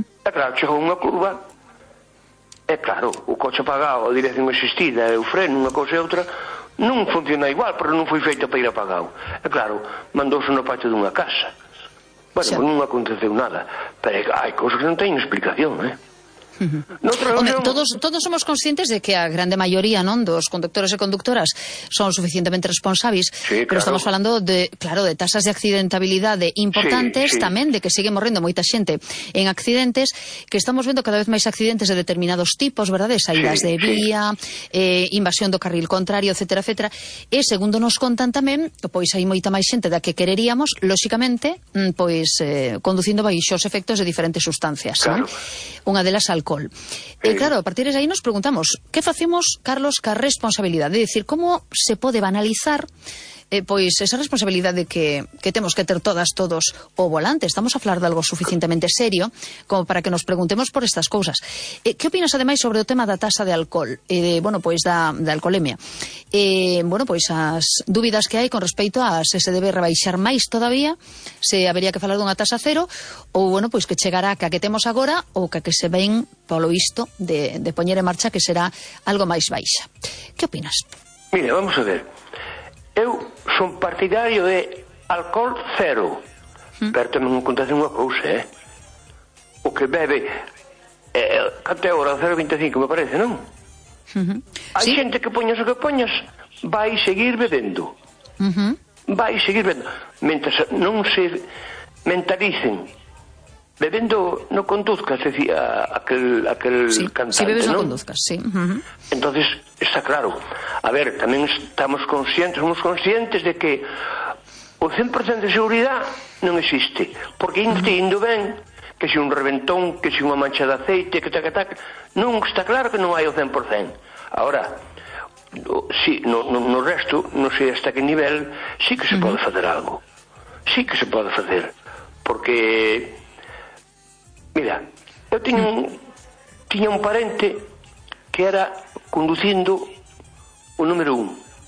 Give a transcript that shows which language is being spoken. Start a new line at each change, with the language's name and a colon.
Galician: E claro, chegou unha curva, e claro, o coche apagado, a dirección existida, o freno, unha cosa e outra, non funciona igual, porque non foi feita para ir apagado. E claro, mandouse no patio dunha casa. Bueno, non aconteceu nada. Pero hai cousas que non teñen explicación,
Spanish: Hombre, todos somos conscientes de que a grande mayoría, ¿no?, dos conductores y conductoras son suficientemente responsables, sí, claro. Pero estamos hablando de, claro, de tasas de accidentabilidad de importantes, sí, sí. También de que sigue morriendo
Galician: moita xente en accidentes, que estamos viendo cada vez máis accidentes de determinados tipos, ¿verdad?, de saídas,
Spanish: sí,
Galician: de vía,
Spanish: sí.
Galician: Invasión do carril contrario, etcétera, etcétera. E, segundo nos contan tamén, pois hai moita máis xente da que quereríamos, lóxicamente, pois, conducindo baixo os efectos de diferentes sustancias. Claro. ¿No? Unha delas, alcohol.
Spanish: Sí.
Galician: Claro, a partir de aí nos preguntamos, que facemos, Carlos, ca responsabilidade? É dicir, como se pode banalizar pois esa responsabilidade de que temos que ter todas, todos, o volante? Estamos a falar de algo suficientemente serio como para que nos preguntemos por estas cousas. Que opinas, ademais, sobre o tema da tasa de alcohol, da alcoholemia? As dúbidas que hai con respeito a se se debe rebaixar máis todavía, se habería que falar dunha tasa cero, ou, que chegará a que temos agora, ou que se ven, polo visto, de poñer en marcha, que será algo máis baixa. Que opinas?
Spanish: Mire, vamos a ver.
Galician: Eu son partidario de alcohol cero. Mm. Pero tamén me contase unha cousa, O que bebe, cante hora, 0,25, me parece, non? Mm-hmm. Hai xente que poñas o que poñas, vai seguir bebendo. Mm-hmm. Vai seguir bebendo. Mientras non se mentalicen, bebendo
Spanish: no conduzcas,
Galician: é dicir, aquel
Spanish: sí,
Galician: cantante,
Spanish: si bebes,
Galician: non?
Spanish: No conduzcas, sí. Uh-huh. Entonces, está claro.
Galician: A ver, tamén somos conscientes de que o 100% de seguridade non existe. Porque entendo ben que se un reventón, que se unha mancha de aceite, que tac, tac, non está claro que non hai o 100%.
Spanish: Ahora,
Galician: sí, no resto, non sei hasta que nivel, sí que se uh-huh. pode fazer algo. Sí que se pode fazer. Porque... Mira, eu tiña un parente que era conducindo o número un.